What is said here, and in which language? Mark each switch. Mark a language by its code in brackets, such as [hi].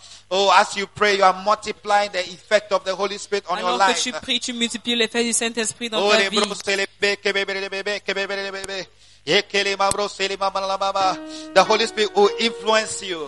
[en] Oh, as you pray, you are multiplying the effect of the Holy Spirit on your life. [fr] Tu pries, tu multiplies l'effet du Saint-Esprit dans ta vie. [en] The Holy Spirit will influence you.